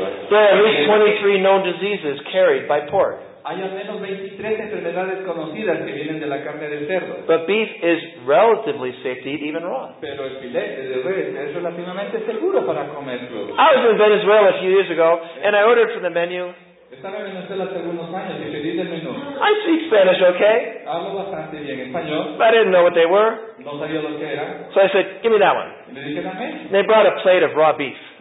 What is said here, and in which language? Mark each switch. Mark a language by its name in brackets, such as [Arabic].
[English] There are at least 23 known diseases carried by pork. [Spanish] Hay al menos 23 enfermedades conocidas que vienen de la carne de cerdo. [English] But beef is relatively safe to eat, even raw. [Spanish] Pero el filete de res es relativamente seguro para comer crudo. [English] I was in Venezuela a few years ago, and I ordered from the menu. [Spanish] Estaba en Venezuela hace unos años y pedí del menú. [English] I speak Spanish, okay? [Spanish] Hablo bastante bien español. [English] But I didn't know what they were. [Spanish] No sabía lo que era. [English] So I said, give me that one. [Spanish] Y me dije, dame. [English] They brought a plate of raw beef.